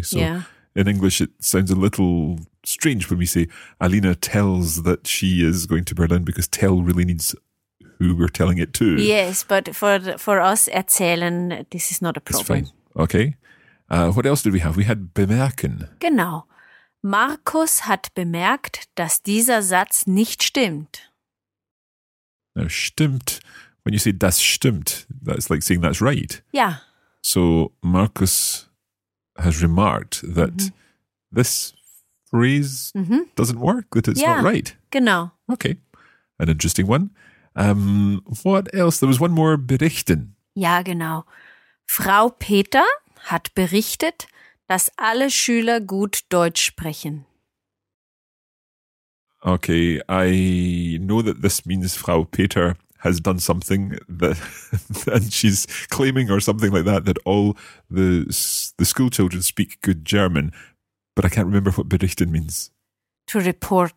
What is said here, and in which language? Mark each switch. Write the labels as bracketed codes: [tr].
[en] So in English it sounds a little strange when we say Alina tells that she is going to Berlin, because tell really needs who we're telling it to. Yes, but for us, erzählen, this is not a problem. It's fine. Okay. What else did we have? We had bemerken. [de] Genau. Markus hat bemerkt, dass dieser Satz nicht stimmt. [en] Now, stimmt, when you say [de] das stimmt, [en] that's like saying that's right. Yeah. So Markus has remarked that this phrase doesn't work, that it's not right. [de] Genau. [en] Okay, an interesting one. What else? There was one more, berichten. [de] Ja, genau. Frau Peter hat berichtet, dass alle Schüler gut Deutsch sprechen. [en] Okay, I know that this means Frau Peter has done something and she's claiming or something like that all the school children speak good German, but I can't remember what berichten means. To report.